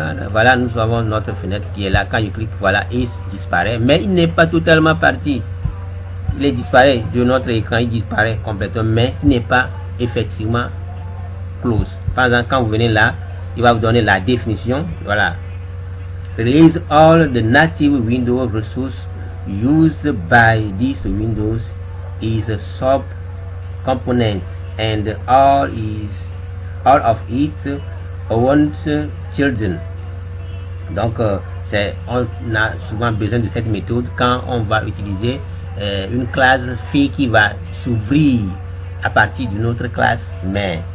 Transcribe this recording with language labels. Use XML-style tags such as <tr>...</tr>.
<fr>Voilà, nous avons notre fenêtre qui est là. Quand je clique, voilà, il disparaît, mais il n'est pas totalement parti. Il est disparu de notre écran, il disparaît complètement, mais il n'est pas effectivement close. Par exemple, quand vous venez là, il va vous donner la définition.</fr> <en>Voilà, release all the native window resources used by this windows is a sub component and all is all of it owns children.</en> <fr>Donc, c'est, on a souvent besoin de cette méthode quand on va utiliser une classe fille qui va s'ouvrir à partir d'une autre classe mère.</fr>